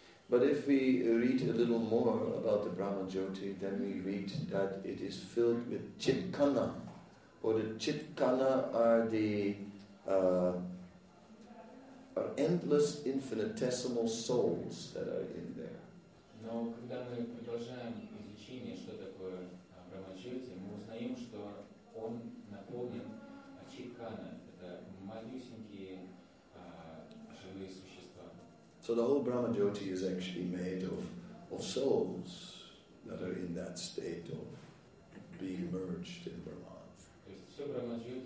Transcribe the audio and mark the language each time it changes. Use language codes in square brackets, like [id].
[en] But if we read a little more about the Brahma Jyoti, then we read that it is filled with chitkana. Or the chitkana are the are endless infinitesimal souls that are in there. [ru] Но когда мы продолжаем изучение, что такое Брахма Джоти, мы узнаем, что он наполнен читкана. Это малюсенькие живые существа. [en] So the whole Brahma Jyoti is actually made of souls that are in that state of being merged in Brahman.